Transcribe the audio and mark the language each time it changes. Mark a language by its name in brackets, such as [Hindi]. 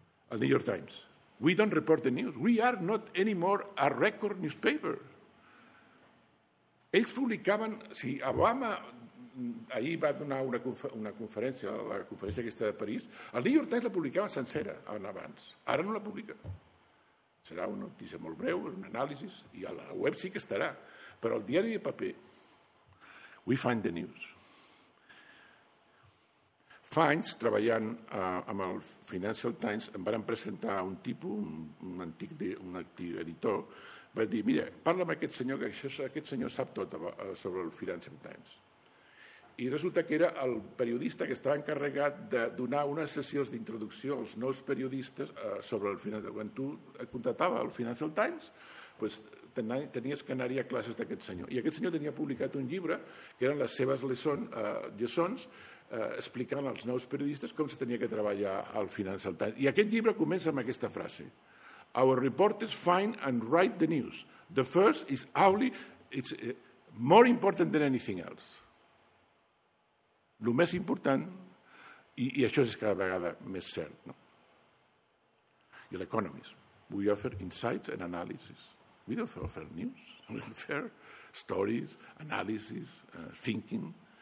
[English] El New York Times, we don't report the news, we are not anymore a record newspaper. [Catalan] Ells publicaven, si Obama ahir va donar una conferència, la conferència aquesta de París, el New York Times la publicaven sencera abans, ara no la publica. Serà una notícia molt breu, un anàlisi, i a la web sí que estarà, però el diari de paper, [English] we find the news. [Catalan] Fa anys, treballant amb el Financial Times, em van presentar un tipus, un antic editor, va dir, mira, parla amb aquest senyor, que aquest senyor sap tot sobre el Financial Times. I resulta que era el periodista que estava encarregat de donar unes sessions d'introducció als nous periodistes sobre el Financial Times. Quan tu contratava el Financial Times, pues, tenies que anar-hi a classes d'aquest senyor. I aquest senyor tenia publicat un llibre, que eren les seves lliçons, explicant als nous periodistes com se tenia que treballar al Financial Times. I aquest llibre comença amb aquesta frase. [English] Our reporters find and write the news. The first is only, it's more important than anything else. [Catalan] El més important I això és cada vegada més cert, no? I l'Economist. [English] We offer insights and analysis. We don't offer news. We offer stories, analysis, thinking.